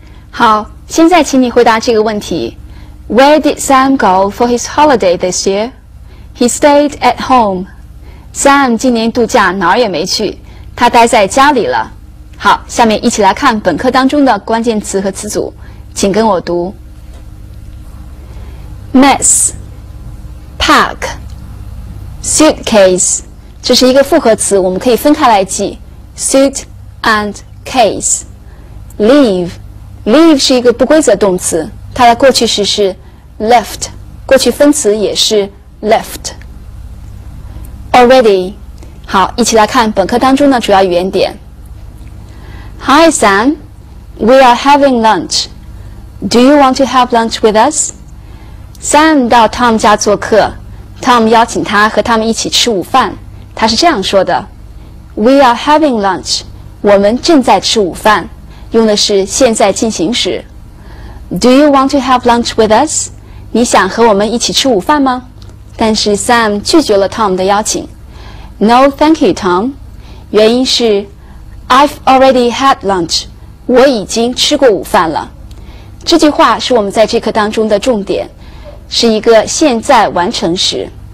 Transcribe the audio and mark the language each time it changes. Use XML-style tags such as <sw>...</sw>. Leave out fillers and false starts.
<zh>好，现在请你回答这个问题。</zh> <en>Where did Sam go for his holiday this year? He stayed at home.</en> <zh>Sam 今年度假哪儿也没去，他待在家里了。好，下面一起来看本课当中的关键词和词组，请跟我读。</zh> <en>Mess, pack, suitcase.</en> <zh>这是一个复合词，我们可以分开来记。</zh> <en>Suit. And case,</en> <zh>leave, leave 是一个不规则动词，它的过去时是 left, 过去分词也是 left. Already, 好，一起来看本课当中的主要语言点。</zh> <en>Hi Sam, we are having lunch. Do you want to have lunch with us?</en> <zh>Sam 到 Tom 家做客 ，Tom 邀请他和他们一起吃午饭。他是这样说的 ：</zh> <en>We are having lunch.</en> <zh>我们正在吃午饭，用的是现在进行时。</zh> <en>Do you want to have lunch with us?</en> <zh>你想和我们一起吃午饭吗？但是 Sam 拒绝了 Tom 的邀请。</zh> <en>No, thank you, Tom.</en> <zh>原因是</zh> <en>I've already had lunch.</en> <zh>我已经吃过午饭了。这句话是我们在这课当中的重点，是一个现在完成时。</zh>